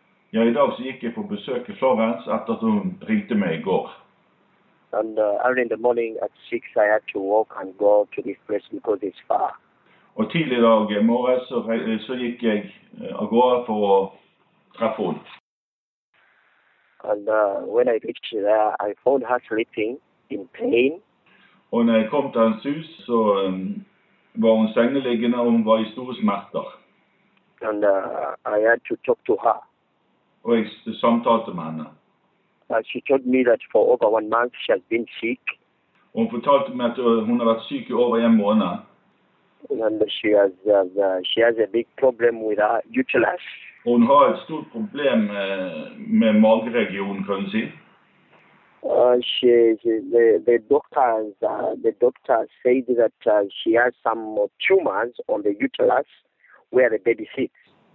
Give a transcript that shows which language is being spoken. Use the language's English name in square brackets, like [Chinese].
[Norwegian] Ja, i dag så gikk jeg på besøk i Florence etter at hun ringte meg i går. [English] And early in the morning at 6 I had to walk and go to this place because it's far. [Norwegian] Og tidlig i dag morges så gikk jeg av gårde for å treffe henne. [English] And when I reached there, I found her sleeping in pain. [Norwegian] Og når jeg kom til hans hus, så var hun sengeliggende, og hun var i store smerter. [English] And I had to talk to her. [Norwegian] Og jeg samtalte med henne. [English] She told me that for over 1 month she has been sick. [Norwegian] Hun fortalte meg at hun har vært syk i over en måned. [English] And she has a big problem with her uterus. [Norwegian] Hun har et stort problem med mageregionen, kan du si. [English] The doctor said that she has some tumors on the uterus where the baby sits.